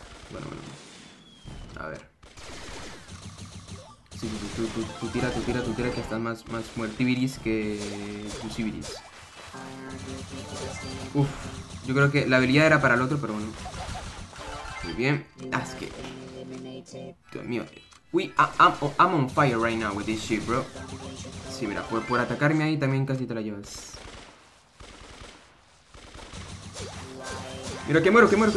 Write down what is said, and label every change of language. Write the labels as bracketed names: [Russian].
[Spanish] Bueno. A ver. Sí, tú tira que estás más muertiviris que Cruciviris. Uf, yo creo que la habilidad era para el otro, pero bueno. Muy bien. Es que. Dios mío. [English] I'm on fire right now with this shit, bro. [Spanish] Sí, mira, por atacarme ahí también casi te la llevas. Mira, que muero.